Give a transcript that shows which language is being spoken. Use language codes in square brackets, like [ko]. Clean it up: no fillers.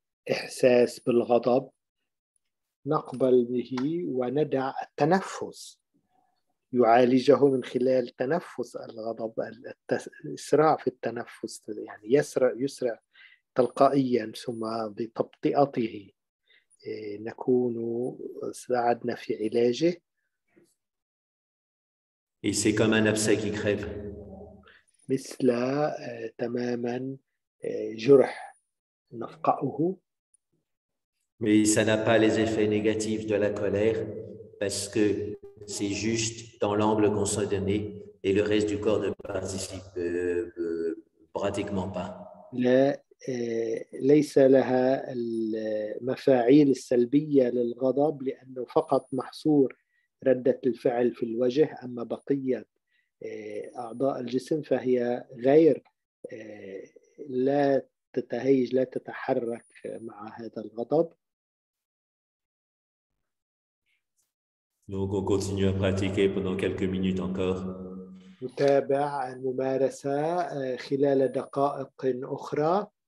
[ar] إحساس بالغضب نقبل به وندع التنفس يعالجه من خلال تنفس الغضب الإسراع في التنفس يعني يسرع تلقائيا ثم بتبطئته نكون ساعدنا في علاجه. [fr] Et c'est comme un abcès qui crève. [ar] مثل تماما جرح نفقعه. [fr] Mais ça n'a pas les effets négatifs de la colère parce que c'est juste dans l'angle qu'on s'est donné et le reste du corps ne participe pratiquement pas. [ar] La, ليس لها المفاعيل السلبية للغضب لأنه فقط محصور ردة الفعل في الوجه أما بقية أعضاء الجسم فهي غير لا تتهيج لا تتحرك مع هذا الغضب. [fr] Donc, on continue à pratiquer pendant quelques minutes encore. [ar] نتابع الممارسة خلال دقائق أخرى.